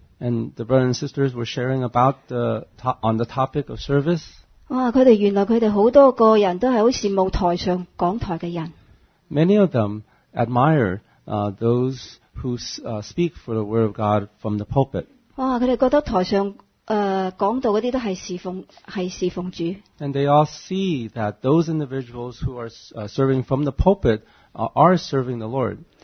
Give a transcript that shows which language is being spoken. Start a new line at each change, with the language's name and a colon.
English: And the brothers and sisters were sharing about on the topic of service.
Cantonese: 哇，佢哋原来佢哋好多个人都系好羡慕台上讲台嘅人。
English: Many of them admire those who speak for the word of God from the pulpit.
Cantonese: 哇，佢哋觉得台上讲到嗰啲都系侍奉主。
English: And they all see that those individuals who are serving from the pulpit are serving the Lord.